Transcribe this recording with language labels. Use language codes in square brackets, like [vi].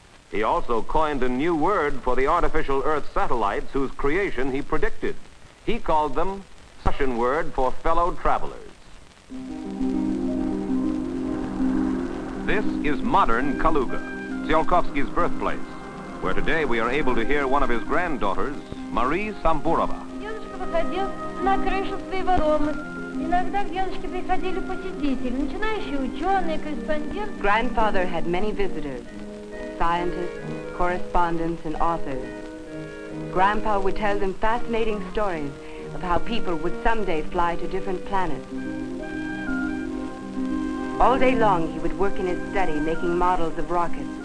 [en] He also coined a new word for the artificial Earth satellites whose creation he predicted. He called them Russian word for fellow travelers. This is modern Kaluga, Tsiolkovsky's birthplace, where today we are able to hear one of his granddaughters, Marie Samburova. [ru] Выходил на крышу своего дома. Иногда к дедушке приходили посетители, начинающие ученые, корреспонденты. [en] Grandfather had many visitors, scientists, correspondents, and authors. Grandpa would tell them fascinating stories of how people would someday fly to different planets. All day long he would work in his study making models of rockets.